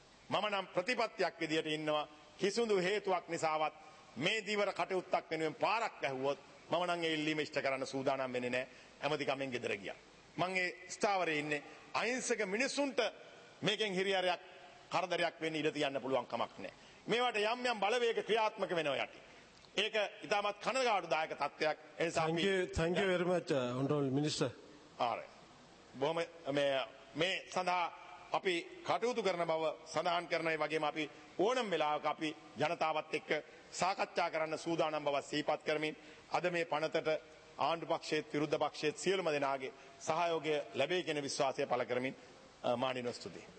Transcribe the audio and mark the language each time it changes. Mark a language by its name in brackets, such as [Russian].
[Sinhala] මම නම් ප්‍රතිපත්තියක් විදියට ඉන්නවා. කිසිදු හේතුවක් නිසාවත් මේ ධීවර කටයුත්තක් වෙනුවෙන් පාරක් ඇහුවොත් මම නම් ඒ ඉල්ලීම ඉෂ්ට කරන්න සූදානම් වෙන්නේ නෑ. හැමති කමෙන් ගෙදර ගියා. මං ඒ ස්ථාවරේ ඉන්නේ අහිංසක මිනිසුන්ට මේකෙන් හිරිහැරයක් කරදරයක් වෙන්නේ ඉඩ තියන්න පුළුවන් කමක් නෑ. මේවට යම් යම් බලවේග ක්‍රියාත්මක වෙනවා යටි. ඒක ඉතාමත් කනගාටුදායක තත්ත්වයක්. [English] Thank you very much, Honorable Minister. [Sinhala] ආරයි. බොහොම මේ සඳහා අපි කටයුතු කරන බව සඳහන් කරන ඒ වගේම අපි ඕනම වෙලාවක අපි ජනතාවත් එක්ක සාකච්ඡා කරන්න සූදානම් බව සිහිපත් කරමින් අද මේ පනතට ආණ්ඩු පක්ෂයේත් විරුද්ධ පක්ෂයේත් සියලුම දෙනාගේ සහයෝගය ලැබේ කියන විශ්වාසය පළ කරමින් මානිනොස්තුති.